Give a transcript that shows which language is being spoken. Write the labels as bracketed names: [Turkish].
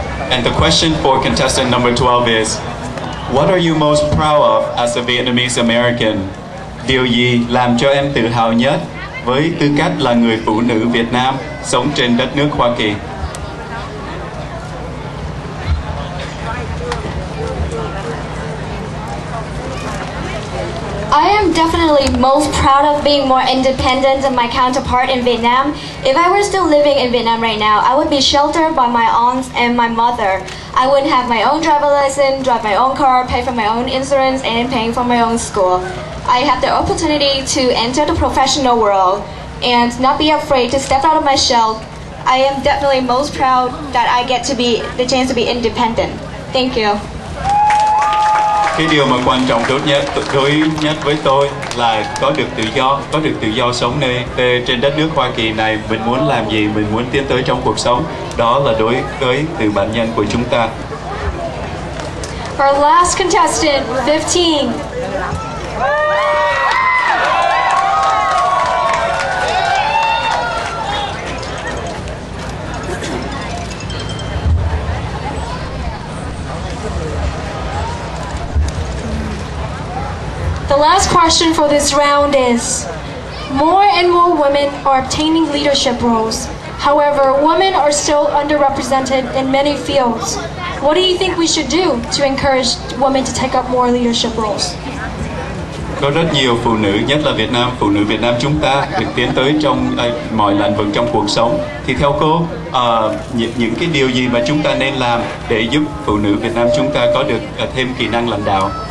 [English] And the question for contestant number 12 is, what are you most proud of as a Vietnamese American? [Vietnamese] Điều gì làm cho em tự hào nhất với tư cách là người phụ nữ Việt Nam sống trên đất nước Hoa Kỳ? [English] I am definitely most proud of being more independent than my counterpart in Vietnam. If I were still living in Vietnam right now, I would be sheltered by my aunts and my mother. I would have my own driver license, drive my own car, pay for my own insurance, and paying for my own school. I have the opportunity to enter the professional world and not be afraid to step out of my shell. I am definitely most proud that I get to be the chance to be independent. Thank you. [Vietnamese] Cái điều mà quan trọng đối nhất với tôi là có được tự do sống nơi trên đất nước Hoa Kỳ này. Mình muốn làm gì, mình muốn tiến tới trong cuộc sống, đó là đối với từ bản nhân của chúng ta. [English] Our last contestant, 15. The last question for this round is, more and more women are obtaining leadership roles. However, women are still underrepresented in many fields. What do you think we should do to encourage women to take up more leadership roles? [Vietnamese] Có rất nhiều phụ nữ, nhất là Việt Nam, phụ nữ Việt Nam chúng ta được tiến tới trong mọi lĩnh vực trong cuộc sống. Thì theo cô, những cái điều gì mà chúng ta nên làm để giúp phụ nữ Việt Nam chúng ta có được thêm kỹ năng lãnh đạo?